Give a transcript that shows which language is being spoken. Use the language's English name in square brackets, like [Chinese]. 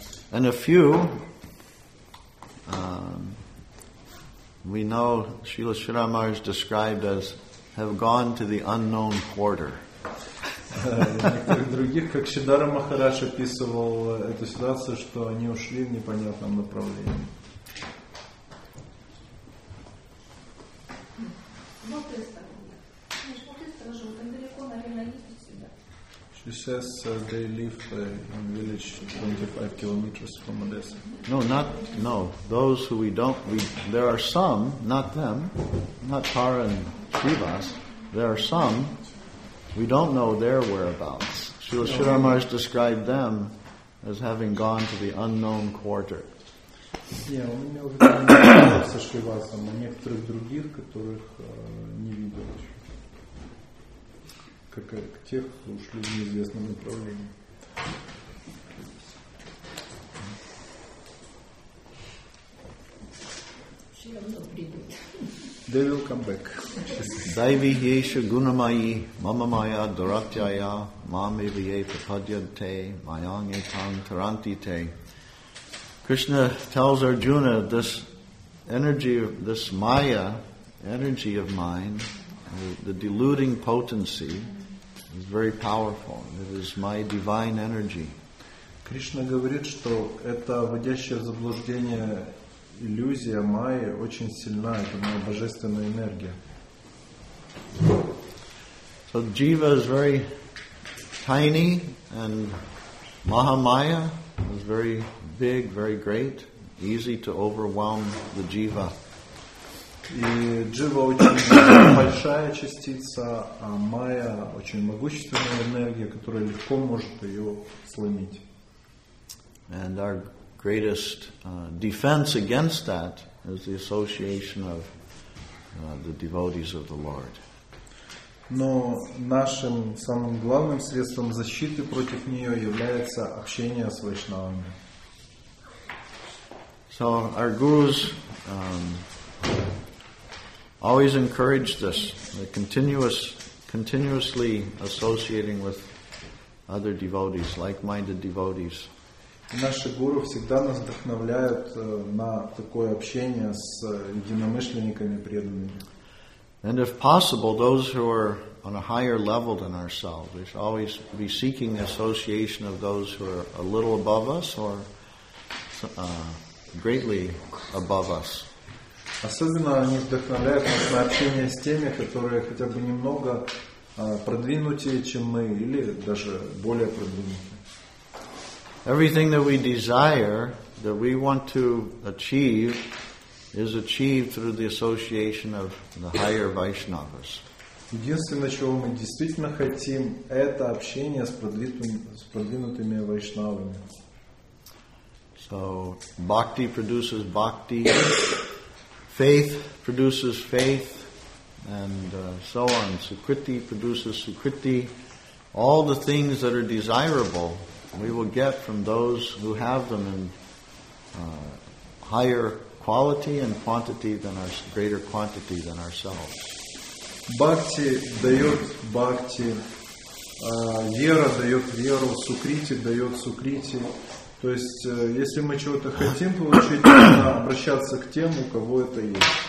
[English] And a few we know Srila Shiramar is described as have gone to the unknown quarter. [Russian] Других, как Шидара Махарадж описывал эту ситуацию, что они ушли в непонятном направлении. [English] She says they live in a village 25 kilometers from Odessa. No. Those who there are some, not them, not Tara and Srivas, there are some, we don't know their whereabouts. Srila Shiramar described them as having gone to the unknown quarter. Yeah, we know that they are with Srivas, but some of the others who didn't see. [Russian] К тех, кто ушли в неизвестном направлении. [English] They will come back. [Sanskrit] Daivi yesha gunamayi mama maya duratyaya mami viye papadyante mayang etang tarantite. [English] Krishna tells Arjuna this energy, this maya energy of mine, the deluding potency, is very powerful. It is my divine energy. [Russian] Кришна говорит, что это вводящее в заблуждение иллюзия майи очень сильна, это моя божественная энергия. [English] So Jiva is very tiny and Mahamaya is very big, very great, easy to overwhelm the Jiva. [Russian] И Джива очень большая частица, а майя очень могущественная энергия, которая легко может ее сломить. [English] And our greatest defense against that is the association of the devotees of the Lord. [Russian] Но нашим самым главным средством защиты против нее является общение с вайшнавами. [English] So our gurus always encouraged us, continuously associating with other devotees, like-minded devotees. [Russian] Наши гуру всегда нас вдохновляют на такое общение с единомышленниками преданными. [English] And if possible, those who are on a higher level than ourselves, we should always be seeking the association of those who are a little above us or greatly above us. [Russian] Особенно они вдохновляют нас на общение с теми, которые хотя бы немного продвинутее, чем мы, или даже более продвинутые. [English] Everything that we desire, that we want to achieve, is achieved through the association of the higher Vaishnavas. [Russian] Единственное, чего мы действительно хотим, это общение с продвинутыми вайшнавами. [English] So, bhakti produces bhakti, faith produces faith, and so on. Sukriti produces sukriti. All the things that are desirable, we will get from those who have them in higher quality and quantity than our greater quantity than ourselves. [Russian] Бхакти дает бхакти, вера дает веру, сукрити дает сукрити. То есть, если мы чего-то хотим получить, нужно обращаться к тем, у кого это есть.